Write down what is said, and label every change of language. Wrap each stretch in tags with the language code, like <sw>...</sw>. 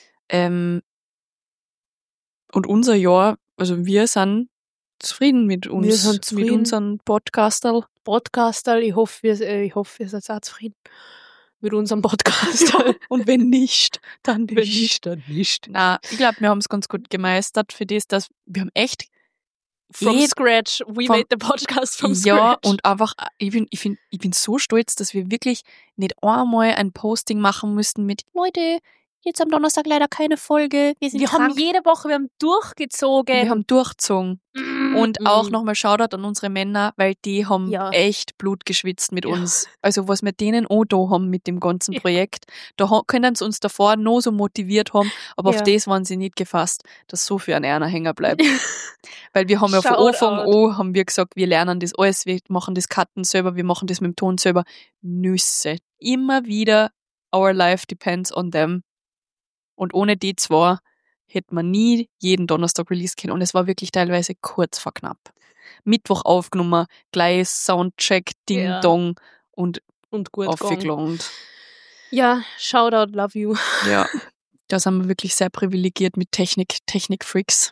<de>Und unser Jahr, also wir sind zufrieden mit uns. Wir sind zufrieden. Mit unserem Podcasterl. Podcasterl, ich hoffe, ihr seid auch zufrieden. Mit unserem Podcast. Ja. Und wenn nicht, dann nicht. Wenn nicht, dann nicht. Nein, ich glaube, wir haben es ganz gut gemeistert für das, dass wir haben echt</de> <en>made the podcast from scratch.</en> <de>Ja, und einfach, ich bin so stolz, dass wir wirklich nicht einmal ein Posting machen müssten mit Leute, jetzt am Donnerstag leider keine Folge. Wir sind wir krank. Haben jede Woche, wir haben durchgezogen. Wir haben durchgezogen. Und auch nochmal Shoutout an unsere Männer, weil die haben echt Blut geschwitzt mit uns. Also was wir denen auch da haben mit dem ganzen Projekt. Da können sie uns davor noch so motiviert haben, aber auf das waren sie nicht gefasst, dass so viel an einer hängen bleibt. Weil wir haben ja von Anfang an haben wir gesagt, wir lernen das alles, wir machen das Cutten selber, wir machen das mit dem Ton selber. Nüsse. Immer wieder,</de> <en>our life depends on them.</en> <de>Und ohne die zwei hätte man nie jeden Donnerstag Release können. Und es war wirklich teilweise kurz vor knapp. Mittwoch aufgenommen, gleich Soundcheck, Ding Dong und gut aufgelohnt. Ja, Shoutout,</de> <en>love you.</en> <de>Ja, da sind wir wirklich sehr privilegiert mit Technik-Freaks.</de>